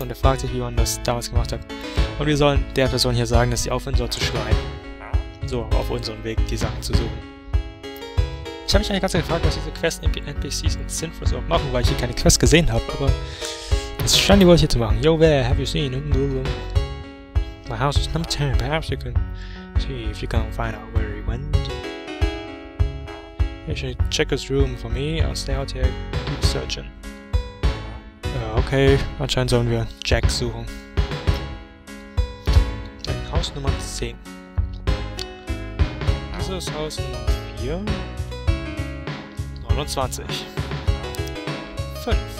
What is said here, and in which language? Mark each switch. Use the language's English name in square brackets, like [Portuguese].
[German] Und er fragt sich, wie man das damals gemacht hat. Und wir sollen der Person hier sagen, dass sie aufhören soll zu schreien. So, auf unseren Weg die Sachen zu suchen. Ich habe mich eigentlich ganz gefragt, was diese Quest-NPCs in Sinfos überhaupt machen, weil ich hier keine Quest gesehen habe. Aber es scheint die wohl hier zu machen. [English] Yo, where have you seen? My house is number 10. Perhaps you can see if you can find out where he went. You should check his room for me. I'll stay out here. Keep searching. [German] Okay, anscheinend sollen wir Jack suchen. Dein Haus Nummer 10. Das ist Haus Nummer 4. 29. 5.